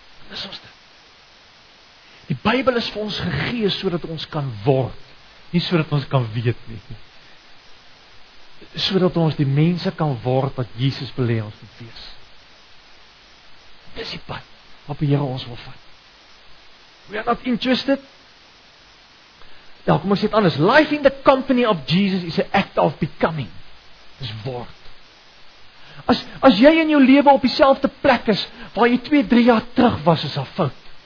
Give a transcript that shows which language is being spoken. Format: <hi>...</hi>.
<af>Dis ons dit. Die Bybel is vir ons gegee, so dat ons kan word, nie so dat ons kan weet nie. So dat ons die mense kan word, wat Jesus wil hê ons moet wees. Dis die pad, wat die Here ons wil vat.</af> <en>We are not interested.</en> <af>Ja, kom ons sê het anders.</af> <en>Life in the company of Jesus is an act of becoming.</en> <af>Dis word. As jy in jou lewe op dieselfde plek is, waar jy 2-3 jaar terug was, is al fout.</af>